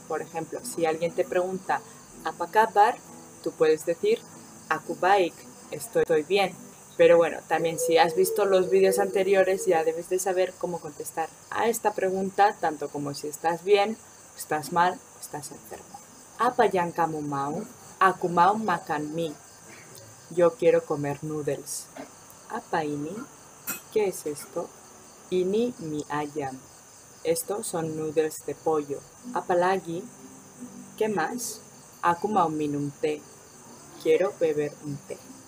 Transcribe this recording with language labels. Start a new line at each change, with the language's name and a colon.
Spanish: Por ejemplo, si alguien te pregunta
Indonesian: apa kabar,
Spanish: tú puedes decir
Indonesian: aku baik,
Spanish: estoy bien. Pero bueno, también si has visto los vídeos anteriores, ya debes de saber cómo contestar a esta pregunta, tanto como si estás bien, estás mal, estás enfermo.
Indonesian: Apa yang kamu mau, aku mau makan mie.
Spanish: Yo quiero comer noodles.
Indonesian: Apa ini,
Spanish: ¿qué es esto?
Indonesian: Ini mi ayam.
Spanish: Estos son noodles de pollo.
Indonesian: Apalagi,
Spanish: ¿qué más?
Indonesian: Aku mau minum té.
Spanish: Quiero beber un té.